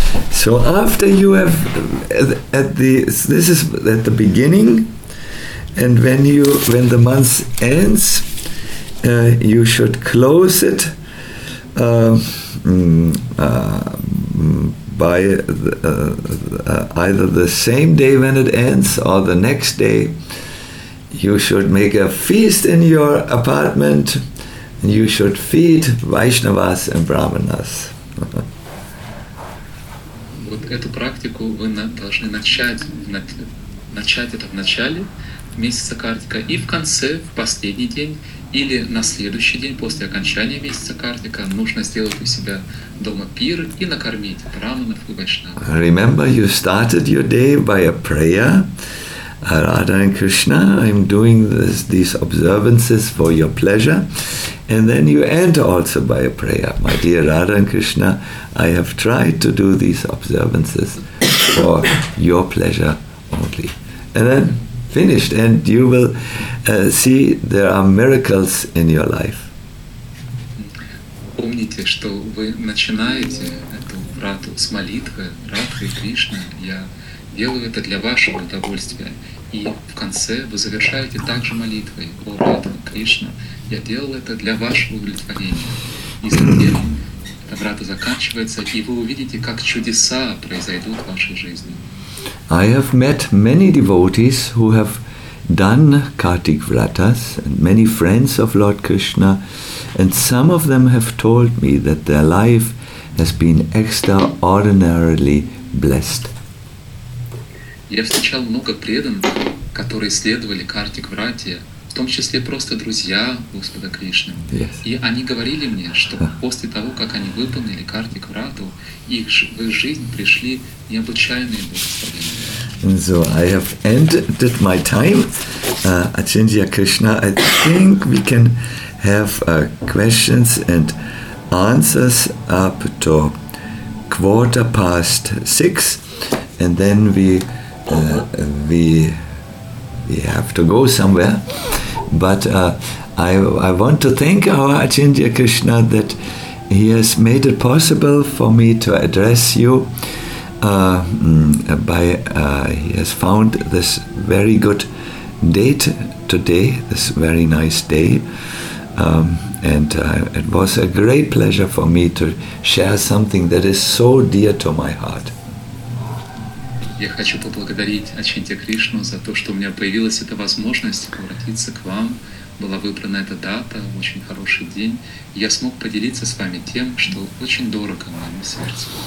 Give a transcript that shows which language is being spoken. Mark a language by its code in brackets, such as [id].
[en] So after you have this is at the beginning, and when the month ends, you should close it by either the same day when it ends or the next day. You should make a feast in your apartment, and you should feed Vaishnavas and Brahmanas. [ru] Вот эту практику вы должны начать это в начале месяца Картика и в конце, в последний день или на следующий день после окончания месяца Картика нужно сделать у себя дома пир и накормить Брахманов и Вайшнавов. [en] Remember, you started your day by a prayer. Radha and Krishna, I'm doing these observances for your pleasure. And then you end also by a prayer. My dear Radha and Krishna, I have tried to do these observances for your pleasure only. And then finished. And you will see there are miracles in your life. [ru] Помните, что вы начинаете эту рату с молитвы Радхи Кришна. Я делаю это для вашего удовольствия. И в конце вы завершаете также молитвой: «О Радха Кришна, я делал это для вашего удовлетворения». И затем эта врата заканчивается, и вы увидите, как чудеса произойдут в вашей жизни. [en] I have met many devotees who have done Kartik Vratas, and many friends of Lord Krishna, and some of them have told me that their life has been extraordinarily blessed. [ru] Я встречал много преданных, которые следовали Картик Врате, в том числе просто друзья Господа Кришны. [en] Yes. [ru] И они говорили мне, что после того, как они выполнили Картик Врату, в их жизнь пришли необычайные благословения. [en] So I have ended my time. Ачинджия Кришна, I think we can have questions and answers up to 6:15, and then we have to go somewhere, but I want to thank our Ачинджия Кришна that he has made it possible for me to address you he has found this very good date today, this very nice day, and it was a great pleasure for me to share something that is so dear to my heart. [ru] Я хочу поблагодарить Ачинджия Кришну за то, что у меня появилась эта возможность обратиться к вам. Была выбрана эта дата, очень хороший день. Я смог поделиться с вами тем, что очень дорого моему сердцу.